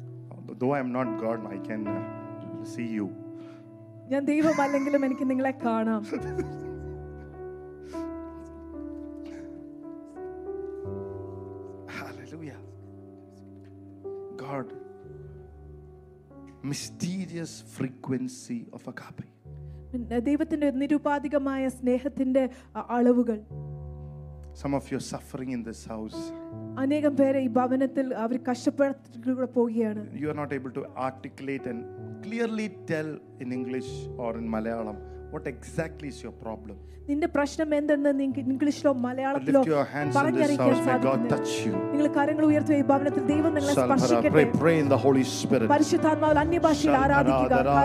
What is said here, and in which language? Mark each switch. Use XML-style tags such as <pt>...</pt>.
<en>Although I'm not God, I can see you.</en> <ml>ഞാൻ ദൈവമല്ലെങ്കിലും എനിക്ക് നിങ്ങളെ കാണാം. Hallelujah.</ml> <en>God mysterious frequency of agape.</en> <ml>ദൈവത്തിന്റെ നിരുപാധികമായ സ്നേഹത്തിന്റെ അളവുകൾ.</ml> <en>Some of your suffering in this house.</en> <ml>അനേകം പേരെ ഈ ഭവനത്തിൽ അവർ കഷ്ടപ്പെടുത്തിട്ട് പോവുകയാണ്.</ml> <en>You are not able to articulate and clearly tell in English or in Malayalam what exactly is your problem.</en> <ml>നിന്റെ പ്രശ്നം എന്തെന്ന് നിങ്ങൾക്ക് ഇംഗ്ലീഷിലോ മലയാളത്തിലോ പറഞ്ഞറിയിക്കാൻ സാധിക്കില്ല. നിങ്ങൾ കരങ്ങൾ ഉയർത്തി ഈ ഭവനത്തിൽ ദൈവം നിങ്ങളെ സ്പർശിക്കട്ടെ.</ml> <en>Pray in the Holy Spirit.</en> <ml>പരിശുദ്ധാത്മാവിൽ അന്യഭാഷയിൽ ആരാധിക്കുക.</ml>